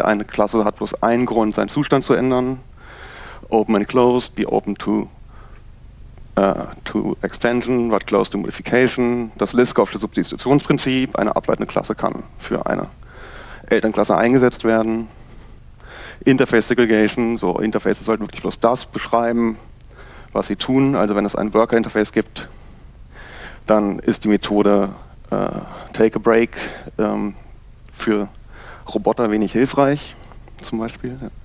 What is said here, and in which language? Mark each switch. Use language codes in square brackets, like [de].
[de] Eine Klasse hat bloß einen Grund, seinen Zustand zu ändern. [en] Open and closed, be open to extension, but closed to modification. [de] Das Liskovsche Substitutionsprinzip, eine ableitende Klasse kann für eine Elternklasse eingesetzt werden. Interface Segregation, so Interfaces sollten wirklich bloß das beschreiben, was sie tun. Also wenn es ein Worker-Interface gibt, dann ist die Methode Take a Break für Roboter wenig hilfreich, zum Beispiel.